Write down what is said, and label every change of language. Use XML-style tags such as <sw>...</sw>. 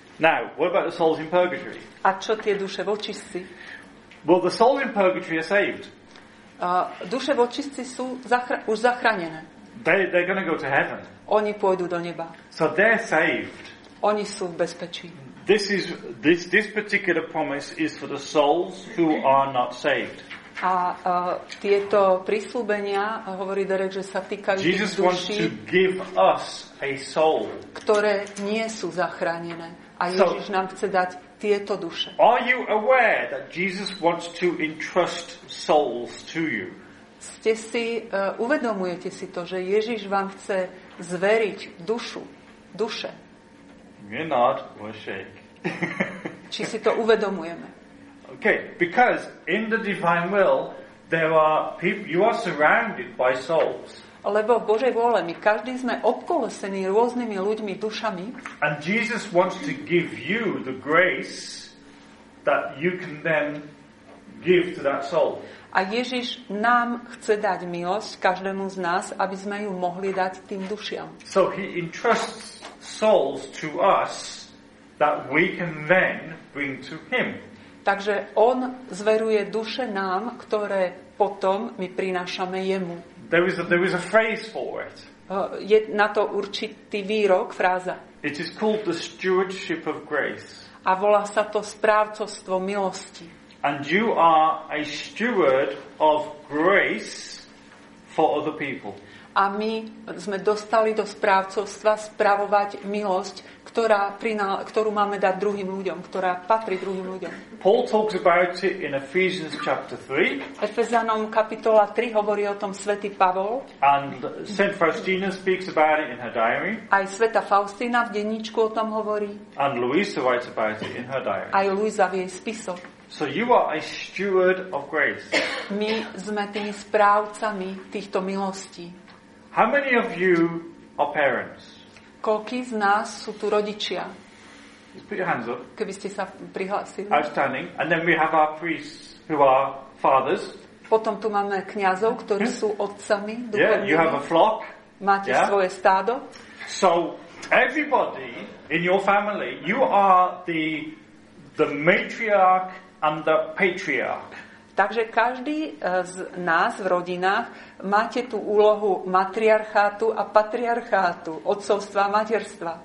<en>Now, what about the souls in purgatory?</en> <sk>A čo tie duše v očistci?</sk> <en>Well, the souls in purgatory are saved.</en> <sk>Duše v očistci sú už zachránené.</sk> <en>They're going to go to heaven.</en> <sk>Oni pôjdu do neba.</sk> <en>So they're saved.</en> <sk>Oni sú v bezpečí.</sk> <en>This particular promise is for the souls who are not saved.</en> <sk>A tieto prísľubenia hovorí Derek, že sa týkajú</sk> <en>Jesus duši, wants to give us a soul.</en> <sk>Ktoré nie sú zachránené. A Ježiš nám chce dať tieto duše.</sk> <en>Are you aware that Jesus wants to entrust souls to you?</en> <sk>Ste si uvedomujete si to, že Ježiš vám chce zveriť dušu, duše?</sk> <en>You're not, we'll shake.</en> <sk>Či si to uvedomujeme?</sk> <en>Okay, because in the divine will there are people, you are surrounded by souls.</en> <sk>Lebo v Božej vôle my každý sme obkolesení rôznymi ľuďmi, dušami.</sk> <en>And Jesus wants to give you the grace that you can then give to that soul.</en> <sk>A Ježiš nám chce dať milosť každému z nás, aby sme ju mohli dať tým dušiam.</sk> <en>So he entrusts souls to us that we can then bring to him.</en> <sk>Takže on zveruje duše nám, ktoré potom my prinášame jemu.</sk> <en>There is a phrase for it.</en> <sk>Je na to určitý výrok, fráza.</sk> <en>It is called the stewardship of grace.</en> <sk>A volá sa to správcovstvo milosti.</sk> <en>And you are a steward of grace for other people.</en> <sk>A my sme dostali do správcovstva spravovať milosť, ktorú máme dať druhým ľuďom, ktorá patrí druhým ľuďom.</sk> <en>Paul talks about it in Ephesians chapter 3.</en> <sk>Efezanom kapitola 3 hovorí o tom svätý Pavol.</sk> <en>And St. Faustina speaks about it in her diary.</en> <sk>Aj svätá Faustína v denníčku o tom hovorí.</sk> <en>And Luisa writes about it in her diary.</en> <sk>Aj Luisa v jej spisoch.</sk> <en>So you are a steward of grace.</en> <sk>My sme tými správcami týchto milostí.</sk> <en>How many of you are parents?</en> <sk>Koľký z nás sú tu rodičia?</sk> <en>Just put your hands up.</en> <sk>Keby ste sa prihlásili.</sk> <en>Outstanding. And then we have our priests who are fathers.</en> <sk>Potom tu máme kňazov, ktorí sú otcami.</sk> <en>Yeah, you have a flock.</en> <sk>Máte svoje stádo.</sk> <en>So everybody in your family, you are the matriarch and the patriarch.</en> <sk>Takže každý z nás v rodinách máte tú úlohu matriarchátu a patriarchátu, otcovstva a materstva.</sk>